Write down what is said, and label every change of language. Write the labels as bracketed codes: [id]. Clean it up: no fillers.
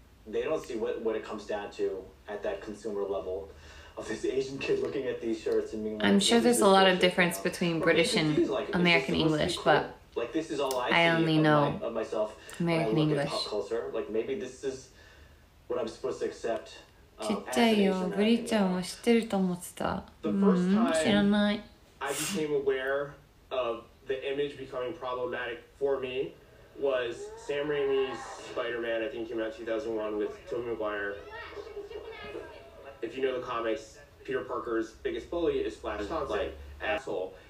[en] They don't see what it comes down to at that consumer level of this Asian kid looking at these shirts and being like, I'm sure there's a lot of difference between British and American English, but like this is all I only know of myself American English. Like maybe this is what I'm supposed to accept. [ja] ちっちゃいよ、ブリちゃんは知ってると思ってた。知らない。 [en] I became aware of the image becoming problematic for me. Was Sam Raimi's Spider-Man, I think came out in 2001 with Tobey Maguire. If you know the comics, Peter Parker's biggest bully is Flash Thompson, like, asshole.